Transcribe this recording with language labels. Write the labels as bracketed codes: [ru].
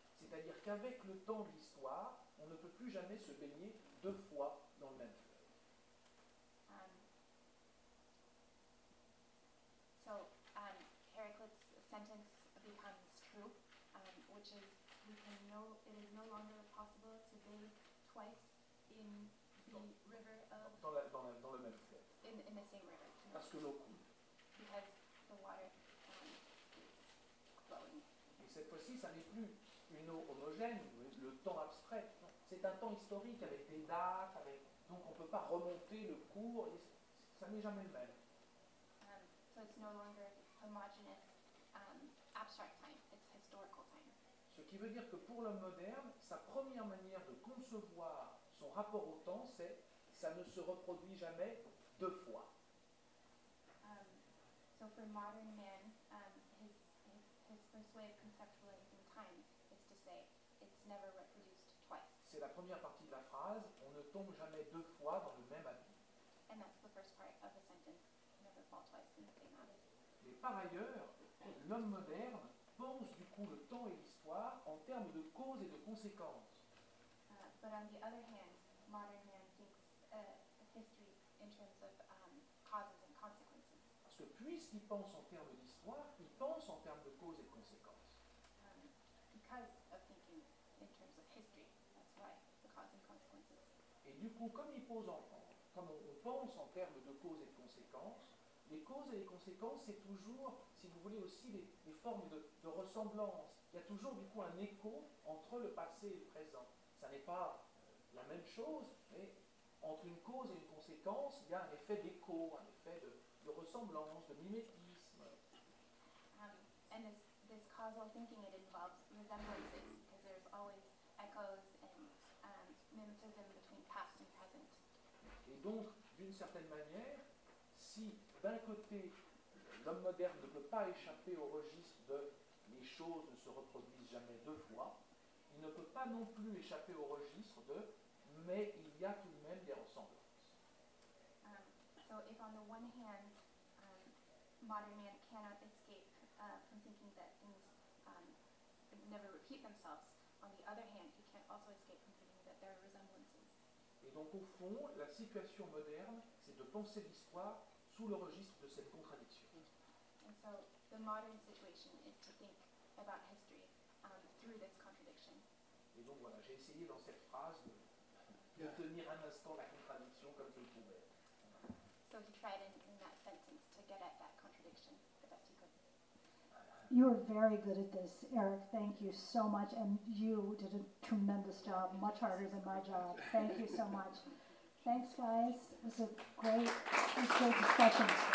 [fr] C'est-à-dire qu'avec le temps de l'histoire, on ne peut plus jamais se baigner deux fois dans le même fleuve. [en] Héraclite's sentence becomes true, which is it is no longer possible to bathe twice in the river of [fr] dans le même fleuve. [en] In the same river. [fr] Parce que l'eau coule. [en] Because the water is flowing. [fr] Et cette fois-ci, ça n'est plus une eau homogène, le temps abstrait. C'est un temps historique avec des dates, avec... donc on ne peut pas remonter le cours, et ça n'est jamais le même. [en] So it's no longer homogeneous, abstract time, it's historical time. [fr] Ce qui veut dire que pour l'homme moderne, sa première manière de concevoir son rapport au temps, c'est ça ne se reproduit jamais deux fois. [en] So for modern man, his first way of conceptualizing time is to say it's never reproduced twice. [fr] C'est la première partie de la phrase, on ne tombe jamais deux fois dans le même abîme. [en] And that's the first part of the sentence, never fall twice in the same abyss. [fr] Mais par ailleurs, l'homme moderne pense du coup le temps et l'histoire en termes de causes et de conséquences. [en] But on the other hand, modern man thinks history in terms of causes and consequences. [fr] Parce que puisqu'il pense en termes d'histoire, il pense en termes de causes et de conséquences. [en] Because of thinking in terms of history, that's why the causes and consequences. [fr] Et du coup, comme il pose en termes, comme on pense en termes de causes et de conséquences, les causes et les conséquences, c'est toujours, si vous voulez, aussi les formes de ressemblance. Il y a toujours du coup un écho entre le passé et le présent. Ça n'est pas la même chose, mais entre une cause et une conséquence, il y a un effet d'écho, un effet de ressemblance, de mimétisme. [en] And this causal thinking, it involves resemblances, because there's always echoes and mimetism between past and present. [fr] Et donc, d'une certaine manière, si d'un côté, l'homme moderne ne peut pas échapper au registre de « les choses ne se reproduisent jamais deux fois », il ne peut pas non plus échapper au registre de « mais il y a tout de même des ressemblances ». [en] So if on the one hand, modern man cannot escape from thinking that things never repeat themselves, on the other hand, he can't also escape from thinking that there are resemblances. [fr] Et donc au fond, la situation moderne, c'est de penser l'histoire sous le registre de cette contradiction. [en] And so the modern situation is to think about history through this contradiction. [fr] Et donc voilà, j'ai essayé dans cette phrase de tenir un instant la contradiction comme je le pouvais. [en] So he tried in that sentence to get at that contradiction the best he could. You are very good at this, Eric. Thank you so much. And you did a tremendous job, much harder than my job. Thank you so much. Thanks, guys. It was a great discussion.